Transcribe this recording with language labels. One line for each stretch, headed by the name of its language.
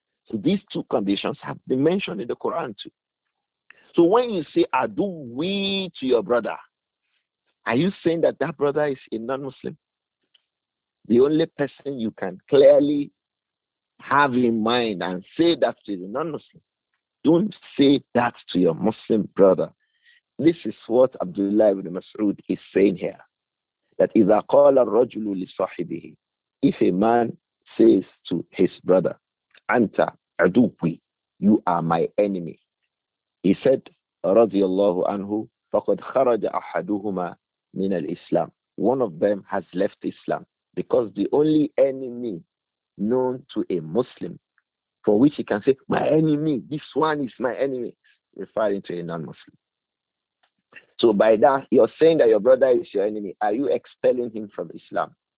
English: So these two conditions have been mentioned in the Quran too. So when you say, adu we to your brother, are you saying that that brother is a non-Muslim? The only person you can clearly have in mind and say that is a non-Muslim. Don't say that to your Muslim brother. This is what Abdullah ibn Mas'ud is saying here. That
Arabic: إِذَا قَالَ الرَّجُلُ لِصَاحِبِهِ.
English: If a man says to his brother,
Arabic: أَنْتَ عَدُوِّي.
English: You are my enemy. He said,
Arabic: رَضِيَ اللَّهُ عَنْهُ فَقَدْ خَرَجَ أَحَدُهُمَا مِنَ الْإِسْلَامِ.
English: One of them has left Islam. Because the only enemy known to a Muslim for which he can say, my enemy, this one is my enemy, referring to a non-Muslim. So by that, you're saying that your brother is your enemy. Are you expelling him from Islam?